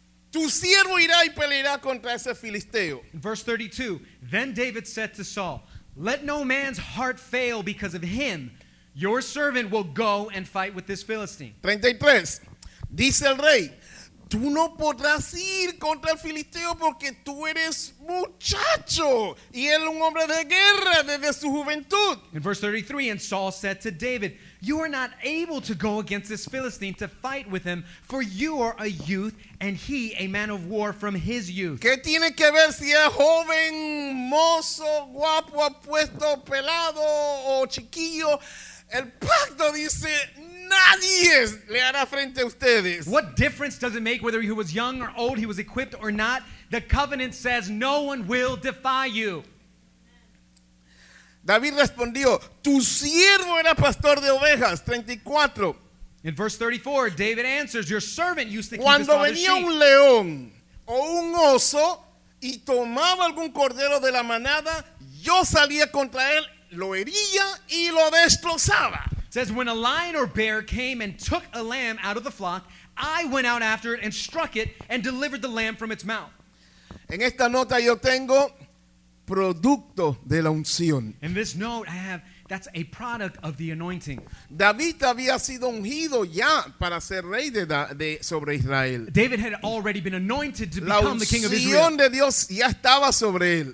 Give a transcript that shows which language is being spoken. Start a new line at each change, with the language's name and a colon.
Spanish: Tu siervo irá y peleará contra ese filisteo.
English: In verse 32, then David said to Saul, let no man's heart fail because of him. Your servant will go and fight with this Philistine.
Spanish: 33, dice el rey, tú no podrás ir contra el filisteo porque tú eres muchacho y él un hombre de guerra desde su juventud.
English: In verse 33, and Saul said to David, you are not able to go against this Philistine to fight with him, for you are a youth and he a man of war from his youth.
Spanish: ¿Qué tiene que ver si es joven, mozo, guapo, apuesto, pelado o chiquillo? El pacto dice, nadie le hará frente a ustedes.
English: What difference does it make whether he was young or old, he was equipped or not? The covenant says no one will defy you.
Spanish: David respondió, tu siervo era pastor de ovejas. 34.
English: In verse 34, David answers, your servant used to keep his father's sheep.
Spanish: Cuando venía un león o un oso y tomaba algún cordero de la manada, yo salía contra él, lo hería y lo destrozaba.
English: Says, when a lion or bear came and took a lamb out of the flock, I went out after it and struck it and delivered the lamb from its mouth.
Spanish: En esta nota yo tengo producto de la unción.
English: In this note I have, that's a product of the anointing.
Spanish: David había sido ungido ya para ser rey de sobre Israel.
English: David had already been anointed to
Spanish: la
English: become the king of Israel.
Spanish: La unción de Dios ya estaba sobre él.